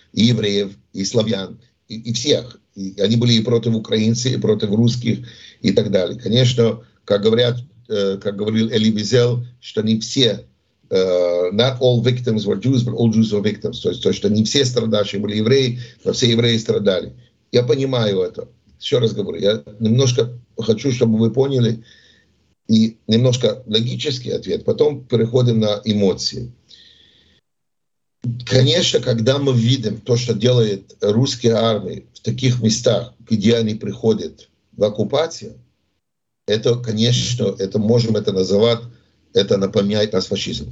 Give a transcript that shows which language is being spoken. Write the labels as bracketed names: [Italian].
[Russian] И евреев, и славян, и всех. И они были и против украинцев, и против русских, и так далее. Конечно, как говорил Эли Визел, что не все [English] not all victims were Jews, but all Jews were victims. [Russian] То есть, что не все страдающие были евреи, но все евреи страдали. Я понимаю это. Еще раз говорю, я немножко хочу, чтобы вы поняли, и немножко логический ответ, потом переходим на эмоции. Конечно, когда мы видим то, что делает русская армия в таких местах, где они приходят в оккупацию, это, конечно, это можем это называть, это напоминает нас фашизм.